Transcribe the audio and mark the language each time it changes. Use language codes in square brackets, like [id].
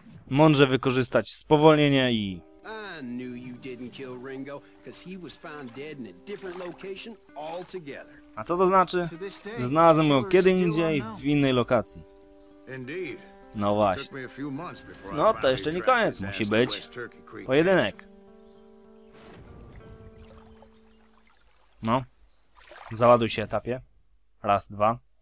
[pl] Mądrze wykorzystać spowolnienie i... [en] I knew you didn't kill Ringo, because he was found dead in a different location altogether. [pl] A co to znaczy? Znalazłem go kiedy indziej w innej lokacji. Indeed. No właśnie. No to jeszcze nie koniec, musi być pojedynek. No. Załaduj się etapie. Raz, dwa.